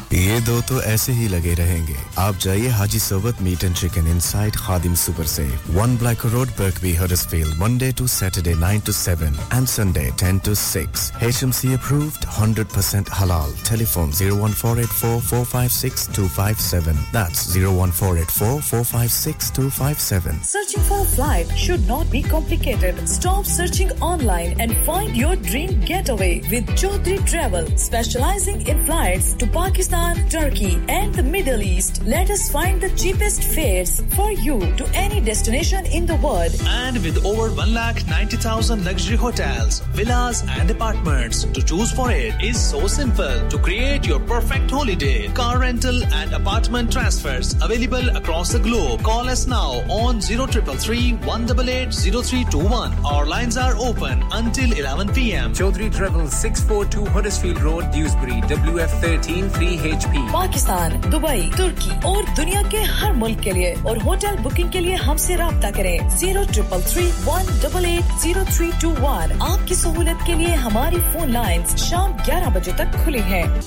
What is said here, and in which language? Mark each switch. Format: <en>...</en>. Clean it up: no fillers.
<pa>ਇਹ ਦੋ ਤਾਂ ਐਸੇ ਹੀ ਲਗੇ ਰਹਿਣਗੇ ਆਪ ਜਾਈਏ ਹਾਜੀ ਸਰਵਤ meat and chicken inside Khadim super safe 1 black road ਬਰਕਵੀ ਹਰਿਸਫੀਲਡ Monday to Saturday 9 to 7 and Sunday 10 to 6 HMC approved 100% ਹਲਾਲ telephone 01484456257 that's 01484456257</pa> <en>Searching for a flight should not be complicated. Stop searching online and find your dream getaway with Chaudhry Travel. Specializing in flights to Pakistan, Turkey and the Middle East, let us find the cheapest fares for you to any destination in the world. And with over 190,000 luxury hotels, villas and apartments to choose for it is so simple. To create your perfect holiday, car rental and apartment transfers available across the globe. Call us now on 0333-188-0321. Our lines are open until 11 p.m. Chaudhry Travel 642 Huddersfield Road, Dewsbury, WF13 3HP.</en> <ur>Pakistan, Dubai, ترکی، اور دنیا کے ہر ملک کے لیے۔ اور hotel booking کے لیے ہمسے رابطہ کرے۔ 0333-188-0321. آپکی سہولت کے لیے ہماری فون لائنز شام 11 بجے تک کھلی ہیں۔</ur>